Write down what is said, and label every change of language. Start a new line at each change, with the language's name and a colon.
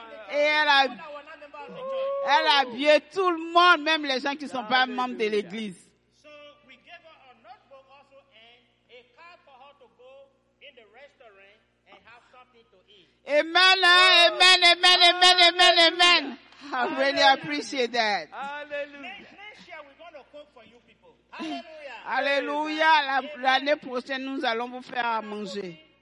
French: Et elle a habillé tout le monde, même les gens qui ne sont pas membres de l'église.
English: So we gave her a notebook also and a card for her to go in the restaurant and have something to eat. Amen, amen, amen, amen, amen, amen. I really appreciate that. Hallelujah. Next year we're going to cook for you people. Hallelujah. Hallelujah.
French: L'année prochaine, nous allons vous faire à manger.